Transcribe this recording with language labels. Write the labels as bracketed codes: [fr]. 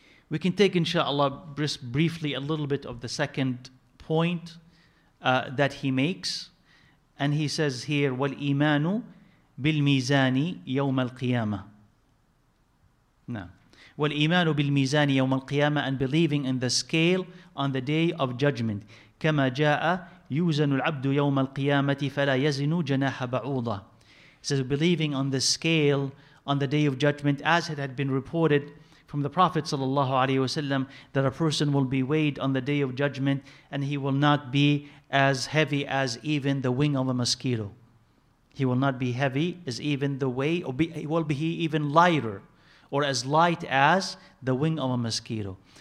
[en] We can take, inshallah, just briefly a little bit of the second point that he makes. And he says here, [ar] وَالْإِيمَانُ بِالْمِيزَانِ يَوْمَ الْقِيَامَةِ [en] No. [ar] وَالْإِيمَانُ بِالْمِيزَانِ يَوْمَ الْقِيَامَةِ [en] And believing in the scale on the Day of Judgment. [ar] كما جاء يوزن العبد يوم القيامة فلا يزن جناح بعوضة. [en] It says, believing on the scale on the Day of Judgment, as it had been reported from the Prophet sallallahu alaihi wasallam, that a person will be weighed on the Day of Judgment and he will not be as heavy as even the wing of a mosquito. He will not be heavy as even the way, or be, will be even lighter, or as light as the wing of a mosquito.